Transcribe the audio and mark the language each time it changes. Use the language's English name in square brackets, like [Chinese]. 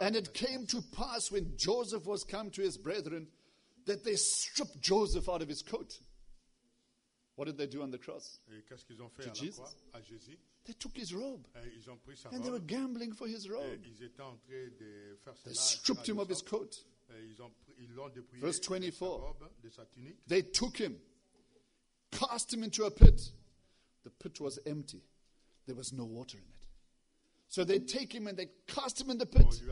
[English] And it came to pass when Joseph was come to his brethren that they stripped Joseph out of his coat. What did they do on the cross? [French] Et qu'est-ce qu'ils ont fait to à Jesus? La croix, à Jésus? [English] They took his robe. [French] Et ils ont pris sa [English] and [French] robe. [English] They were gambling for his robe. [French] Et ils étaient en train de faire cela [English] they stripped him of his coat. [French] Et ils l'ont dépouillé [English] verse 24. [French] De sa robe, de sa tunique. [English] They took him, cast him into a pit. The pit was empty. There was no water in it. So they take him and they cast him in the pit.